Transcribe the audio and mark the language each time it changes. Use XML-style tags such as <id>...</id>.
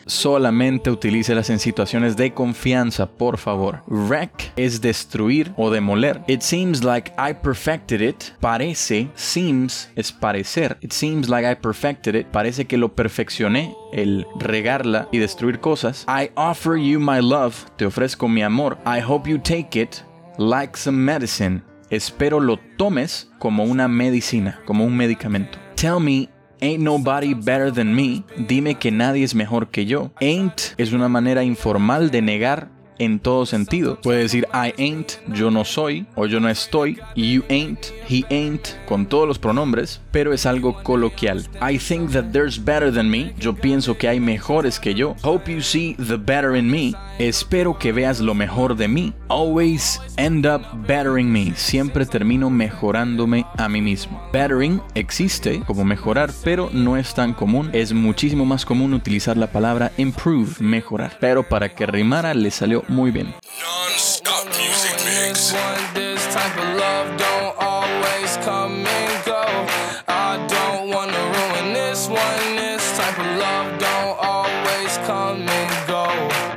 <es>Solamente utilícelas en situaciones de confianza, por favor. Wreck es destruir o demoler.</es> <en>It seems like I perfected it.</en> <es>Parece, seems es parecer.</es> <en>It seems like I perfected it.</en> <es>Parece que lo perfeccioné, el regarla y destruir cosas.</es> <en>I offer you my love.</en> <es>Te ofrezco mi amor.</es> <en>I hope you take it like some medicine.</en> <es>Espero lo tomes como una medicina, como un medicamento.</es> <en>Tell me, ain't nobody better than me.</en> <es>Dime que nadie es mejor que yo. Ain't es una manera informal de negar en todo sentido. Puede decir</es> <en>I ain't,</en> <es>yo no soy, o yo no estoy.</es> <en>You ain't, he ain't,</en> <es>con todos los pronombres, pero es algo coloquial.</es> <en>I think that there's better than me.</en> <es>Yo pienso que hay mejores que yo.</es> <en>Hope you see the better in me.</en> <es>Espero que veas lo mejor de mí.</es> <en>Always end up bettering me.</en> <es>Siempre termino mejorándome a mí mismo. Bettering existe como mejorar, pero no es tan común. Es muchísimo más común utilizar la palabra improve, mejorar. Pero para que rimara, le salió muy bien.</es> <en>Non-stop music mix. This type of love don't always come and go. I don't wanna ruin this one. This type of love don't always come and go.</en>